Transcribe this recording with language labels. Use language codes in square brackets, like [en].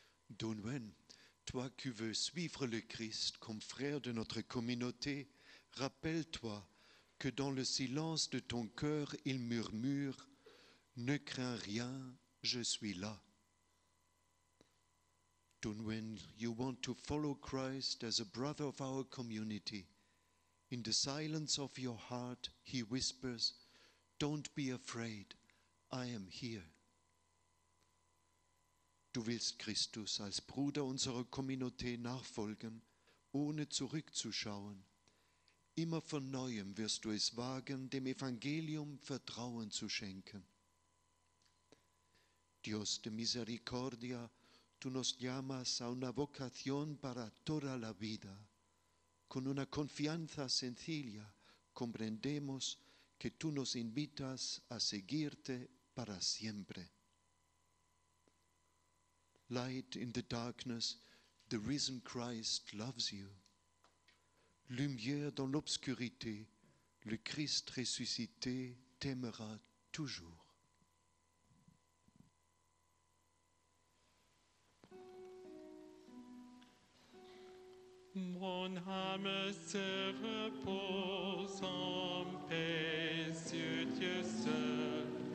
[fr] Dunwen, toi qui veux suivre le Christ comme frère de notre communauté, rappelle-toi que dans le silence de ton cœur, il murmure « Ne crains rien, je suis là. » [en] Dunwen, you want to follow Christ as a brother of our community. In the silence of your heart, he whispers, Don't be afraid, I am here. [de] Du willst Christus als Bruder unserer Community nachfolgen, ohne zurückzuschauen. Immer von Neuem wirst du es wagen, dem Evangelium Vertrauen zu schenken. [es] Dios de misericordia, tu nos llamas a una vocación para toda la vida. Con una confianza sencilla, comprendemos que tú nos invitas a seguirte para siempre. [en] Light in the darkness, the risen Christ loves you. [fr] Lumière dans l'obscurité, le Christ ressuscité t'aimera toujours. Mon âme se repose en paix sur Dieu seul.